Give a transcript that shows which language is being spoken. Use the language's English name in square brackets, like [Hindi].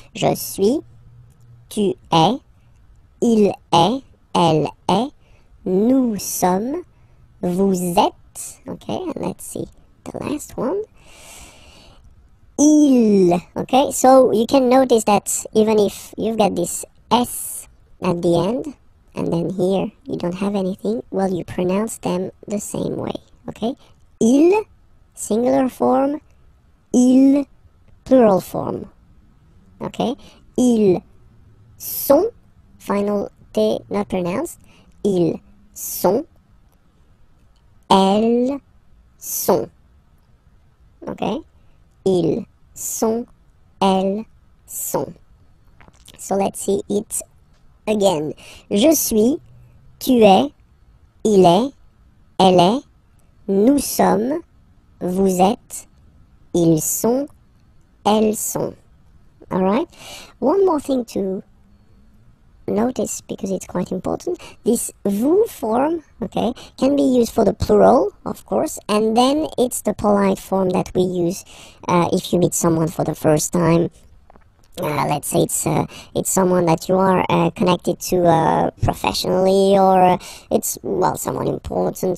[French] Je suis, tu es, il est, elle est, nous sommes, vous êtes, okay? [English] And let's see the last one. Il, okay? So, you can notice that even if you've got this S at the end, and then here you don't have anything, well, you pronounce them the same way, okay? Il, singular form, il, plural form, okay? [French] Ils sont, [English] final T not pronounced, [French] ils sont, elles sont, okay? Ils sont, elles sont. [English] So let's see it again. [French] Je suis, tu es, il est, elle est, nous sommes, vous êtes, ils sont, elles sont. [English] Alright? One more thing to notice, because it's quite important. This vous form, okay, can be used for the plural, of course, and then it's the polite form that we use if you meet someone for the first time. Let's say it's someone that you are connected to professionally, or it's, well, someone important.